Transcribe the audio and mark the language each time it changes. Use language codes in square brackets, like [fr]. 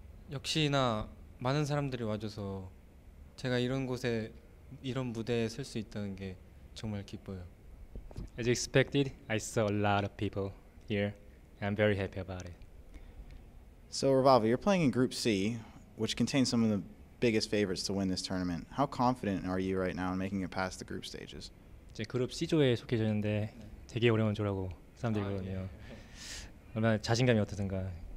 [ko] 역시나 많은 사람들이 와줘서 제가 이런 곳에 이런 무대에 설 수 있다는 게 정말 기뻐요. [en] As expected, I saw a lot of people here. I'm very happy about it. So, Revival, you're playing in Group C, which contains some of the biggest favorites to win this tournament. How confident are you right now in making it past the group stages? [ko] 제 그룹 C조에 속해졌는데 되게 어려운 조라고 사람들이 그러네요. 얼마나 자신감이 어떠든가.